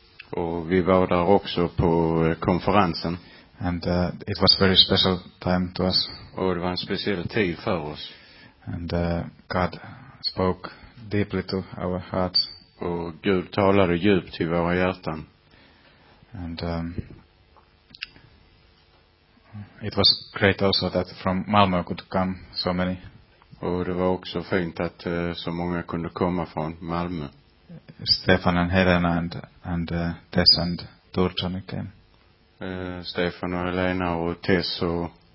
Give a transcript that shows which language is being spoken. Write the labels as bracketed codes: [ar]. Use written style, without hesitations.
[sv] Och vi var där också på konferensen. [en] And it was very special time to us. [sv] Och det var en speciell tid för oss. [en] And God spoke deeply to our hearts. [sv] Och Gud talade djupt till våra hjärtan. [en] And it was great also that from Malmö could come so many. [sv] Och det var också fint att så många kunde komma från Malmö. [en] Stefan and Helena and Tess and Turtonic came. [sv] Stefan och Helena och Tess och